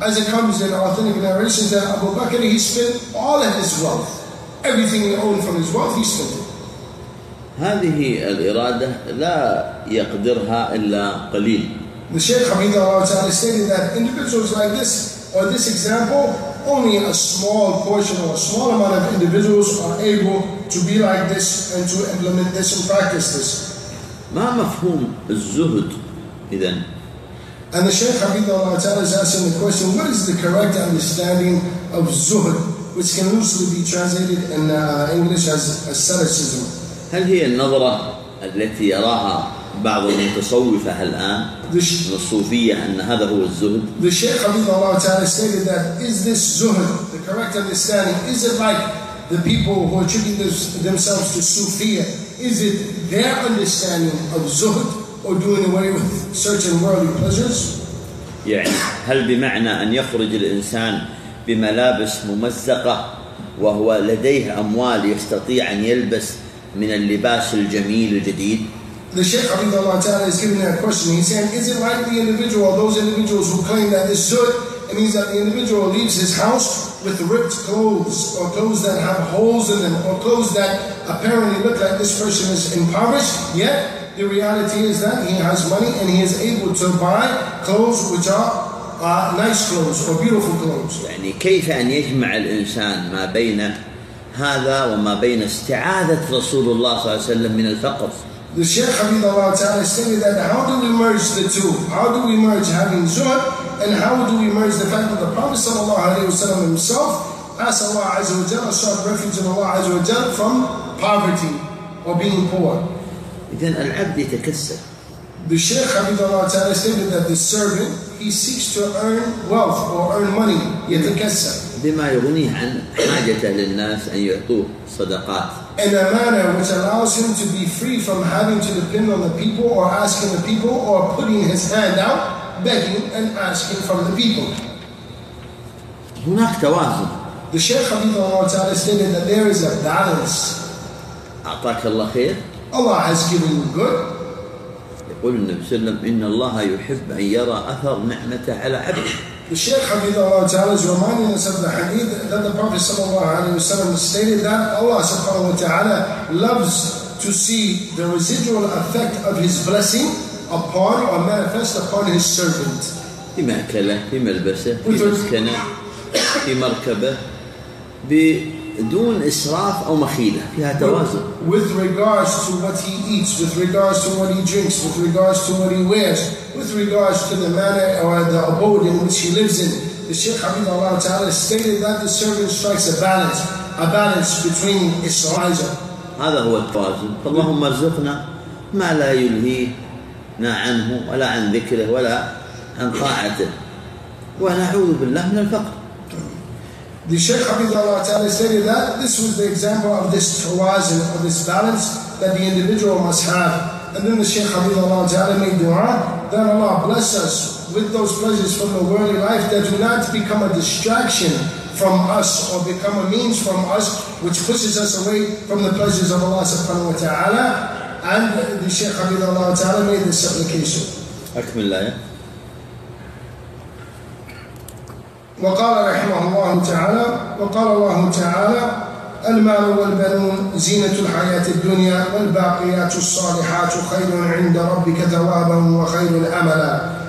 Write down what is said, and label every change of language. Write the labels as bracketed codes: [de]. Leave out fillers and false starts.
[en] As it comes in authentic narrations that Abu Bakr, he spent all of his wealth, everything he owned from his wealth, he spent it. [ar] هذه الإرادة لا يقدرها إلا قليل. [en] The Shaykh Hafidhahullah Ta'ala stated that individuals like this, or this example, only a small portion or a small amount of individuals are able to be like this and to implement this and practice this. [ar] ما مفهوم الزهد إذن؟ [en] And the Shaykh Hafidhahullah Ta'ala is asking the question, what is the correct understanding of zuhd, which can loosely be translated in English as asceticism? [ar] هل هي النظرة التي يراها بعض المتصوفة الآن من الصوفية أن هذا هو الزهد؟ [en] The Shaykh Hafidhahullah Ta'ala stated that is this zuhd, the correct understanding, is it like the people who are treating themselves to Sufiya, is it their understanding of zuhd or doing away with certain worldly pleasures? [ar] يعني هل بمعنى أن يخرج الإنسان بملابس ممزقة وهو لديه أموال يستطيع أن يلبس من اللباس الجميل الجديد؟ [en] The Shaykh Hafidhahullah Ta'ala is giving that question. He's saying, is it like the individual, those individuals who claim that this zuhd, it means that the individual leaves his house with ripped clothes, or clothes that have holes in them, or clothes that apparently look like this person is impoverished, yet the reality is that he has money and he is able to buy clothes which are nice clothes or beautiful clothes. [ar] يعني كيف أن يجمع الإنسان ما بين هذا وما بين استعاذة رسول الله صلى الله عليه وسلم من الفقر؟ [en] The Shaykh Hafidhahullah Ta'ala stated that how do we merge the two? How do we merge having zuhd, and how do we merge the fact that the Prophet sallallahu alayhi wa sallam himself asked Allah Azza wa Jalla, sought refuge in Allah Azza wa Jalla from poverty or being poor. [ar] إذن العبد يتكسر. [en] The Shaykh Hafidhahullah Ta'ala stated that the servant, he seeks to earn wealth or earn money, يتكسر. [ar] بما يغنيه عن حاجة للناس أن يعطوه صدقات. [en] In a manner which allows him to be free from having to depend on the people or asking the people or putting his hand out, begging and asking from the people. [ar] هناك توازن. [en] The Shaykh Hafidhahullah Ta'ala stated that there is a balance. [ar] أعطاك الله خير. [en] Allah has given you good. [ar] يقول النبي صلى الله عليه وسلم إن الله يحب أن يرى أثر نعمته على عبده. [en] The Shaykh Hafidhahullah Ta'ala is reminding us of the hadith that the Prophet sallallahu alayhi wa sallam stated that Allah subhanahu wa ta'ala loves to see the residual effect of his blessing upon or manifest upon his servant. [ar] بما أكله بما لبسه بمسكنه بمركبه بدون إسراف أو مخيلة فيها توازن. [en] With regards to what he eats, with regards to what he drinks, with regards to what he wears, with regards to the manner or the abode in which he lives in, the Shaykh Hafidhahullah Ta'ala stated that the servant strikes a balance between israfa. [ar] هذا هو التوازن. اللهم ارزقنا ما لا يلهينا عنه ولا عن ذكره ولا عن طاعته ونعوذ بالله من الفقر. [en] The Shaykh Hafidhahullah Ta'ala stated that this was the example of this tawazun, of this balance that the individual must have. And then the Shaykh Hafidhahullah Ta'ala made dua that Allah bless us with those pleasures from the worldly life that do not become a distraction from us or become a means from us which pushes us away from the pleasures of Allah subhanahu wa ta'ala. And the Shaykh Hafidhahullah Ta'ala made this supplication. Akmillah. [ar] وقال رحمه الله تعالى المال والبنون زينة الحياة الدنيا والباقيات الصالحات خير عند ربك ثوابا وخير أملا.